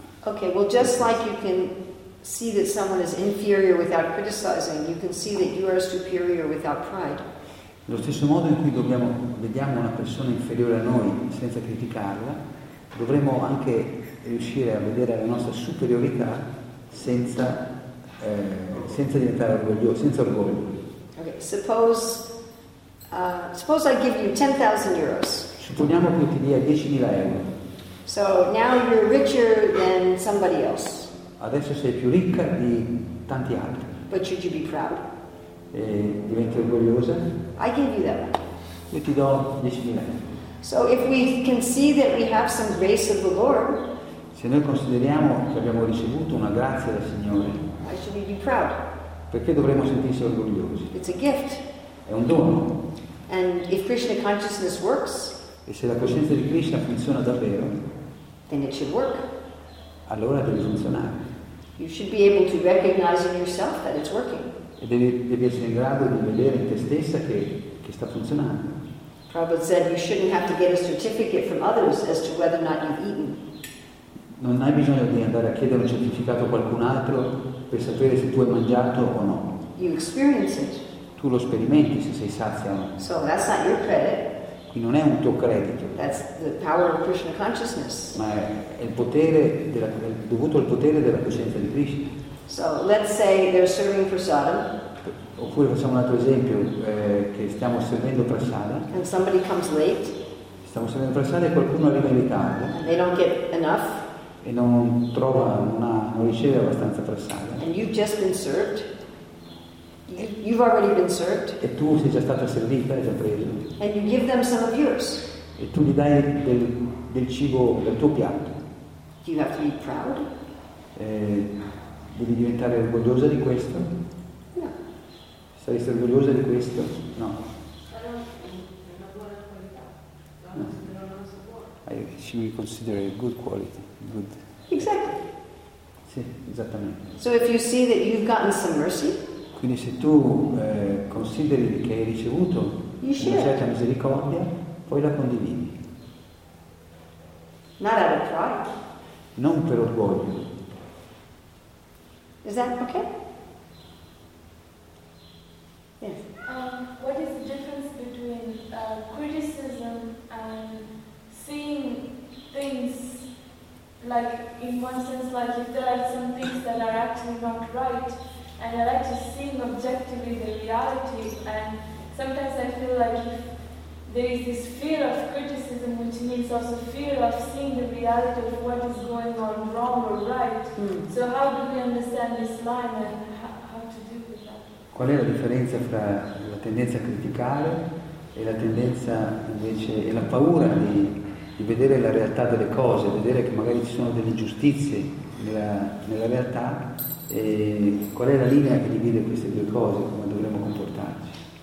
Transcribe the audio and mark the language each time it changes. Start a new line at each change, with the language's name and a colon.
English: Okay, well, just practice. Like you can see that someone is inferior without criticizing, you can see that you are superior without pride.
Italian: Lo stesso modo in cui vediamo una persona inferiore a noi senza criticarla, dovremo anche riuscire a vedere la nostra superiorità senza diventare orgoglioso, senza orgoglio.
English: Okay, suppose I give you 10,000 euros.
Italian: Supponiamo che io ti dia 10.000 euro.
English: So now you're richer than somebody else.
Italian: Adesso sei più ricca di tanti altri.
English: But should you be proud?
Italian: E diventi orgogliosa.
English: I give you that one.
Italian: Io ti do 10.000 euro.
English: So if we can see that we have some grace of the Lord,
Italian: se noi consideriamo che abbiamo ricevuto una grazia dal Signore,
English: why should we be proud?
Italian: Perché dovremmo sentirsi orgogliosi?
English: It's a gift.
Italian: È un dono.
English: And if Krishna consciousness works,
Italian: e se la coscienza di Krishna funziona davvero,
English: then it should work.
Italian: Allora deve funzionare.
English: You should be able to recognize in yourself that it's working.
Italian: E devi essere in grado di vedere in te stessa che sta funzionando.
English: Prabhupada said you shouldn't have to get a certificate from others as to whether or not you've eaten.
Italian: Non hai bisogno di andare a chiedere un certificato a qualcun altro per sapere se tu hai mangiato o no.
English: You experience it.
Italian: Tu lo sperimenti se sei sazio.
English: So that's not your credit.
Italian: Qui non è un tuo credito.
English: That's the power of Krishna consciousness.
Italian: Ma è il potere della, è dovuto al potere della coscienza di Krishna.
English: So let's say they're serving prasadam.
Italian: Oppure facciamo un altro esempio, che stiamo servendo prasadam.
English: And somebody comes late.
Italian: Stiamo servendo prasadam e qualcuno arriva in ritardo.
English: And they don't get enough.
Italian: E non trova, non riceve abbastanza prasadam.
English: And you've just been served. You've already been served.
Italian: E tu sei già stata servita, hai già preso.
English: And you give them some of yours.
Italian: E tu gli dai del cibo del tuo piatto.
English: Do you have to be proud?
Italian: Devi diventare orgogliosa di questo?
English: No.
Italian: Saresti orgogliosa di questo?
English: No. No. She will consider it good quality. Good. Exactly.
Italian: Sì, esattamente.
English: So if you see that you've gotten some mercy.
Italian: Quindi se tu consideri che hai ricevuto una certa misericordia, poi la condividi.
English: Not out of pride.
Italian: Non per orgoglio.
English: Is that okay? Yes. What is the difference between criticism and seeing things like, in one sense, like if there are some things that are actually not right? And I like to see objectively the reality, and sometimes I feel like there is this fear of criticism, which means also fear of seeing the reality of what is going on wrong or right. Mm. So how do we understand this line and how to deal with that?
Italian: Qual è la differenza fra la tendenza a criticare e la tendenza invece e la paura di vedere la realtà delle cose, vedere che magari ci sono delle ingiustizie nella realtà? E qual è la linea che divide queste due cose, come dovremmo comportarci?